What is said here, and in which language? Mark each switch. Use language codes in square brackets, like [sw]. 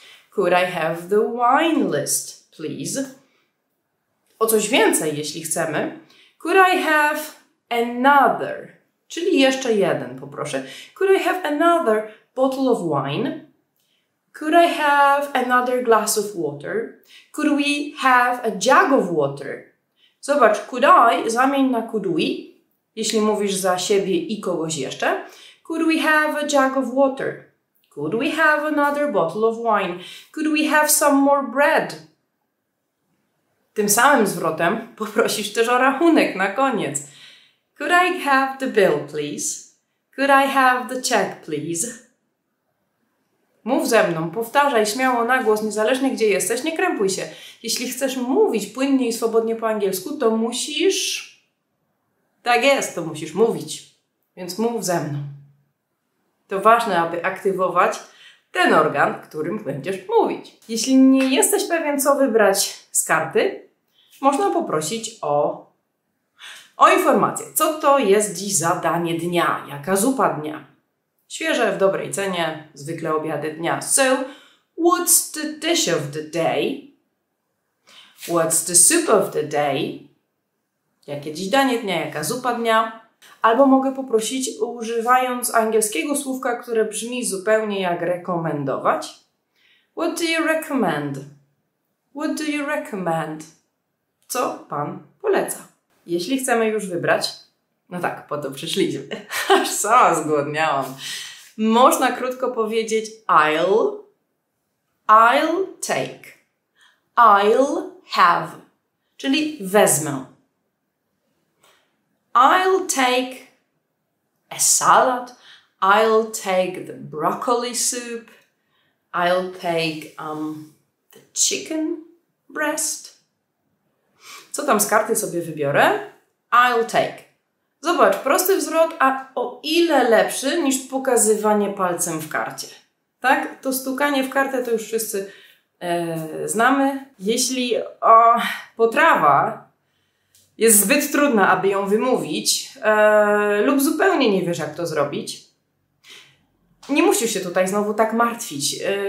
[en] Could I have the wine list, please? [pl] O coś więcej, jeśli chcemy. [en] Could I have another? [pl] Czyli jeszcze jeden, poproszę. [en] Could I have another bottle of wine? Could I have another glass of water? Could we have a jug of water? [pl] Zobacz, [en] could I [pl] zamień na [en] could we, [pl] jeśli mówisz za siebie i kogoś jeszcze. [en] Could we have a jug of water? Could we have another bottle of wine? Could we have some more bread? [pl] Tym samym zwrotem poprosisz też o rachunek na koniec. [en] Could I have the bill, please? Could I have the check, please? [pl] Mów ze mną, powtarzaj śmiało na głos, niezależnie gdzie jesteś, nie krępuj się. Jeśli chcesz mówić płynnie i swobodnie po angielsku, to musisz... Tak jest, to musisz mówić. Więc mów ze mną. To ważne, aby aktywować ten organ, którym będziesz mówić. Jeśli nie jesteś pewien, co wybrać z karty, można poprosić o informację. Co to jest dziś za danie dnia? Jaka zupa dnia? Świeże, w dobrej cenie, zwykle obiady dnia. [en] So, what's the dish of the day? What's the soup of the day? [pl] Jakie dziś danie dnia, jaka zupa dnia? Albo mogę poprosić, używając angielskiego słówka, które brzmi zupełnie jak rekomendować. [en] What do you recommend? What do you recommend? [pl] Co pan poleca? Jeśli chcemy już wybrać, no tak, po to przyszliśmy. Aż sama zgłodniałam. Można krótko powiedzieć [en] I'll take, I'll have, [pl] czyli wezmę. [en] I'll take a salad, I'll take the broccoli soup, I'll take the chicken breast. [pl] Co tam z karty sobie wybiorę? [en] I'll take. [pl] Zobacz, prosty zwrot, a o ile lepszy niż pokazywanie palcem w karcie. Tak? To stukanie w kartę to już wszyscy znamy. Jeśli potrawa jest zbyt trudna, aby ją wymówić, lub zupełnie nie wiesz, jak to zrobić, nie musisz się tutaj znowu tak martwić.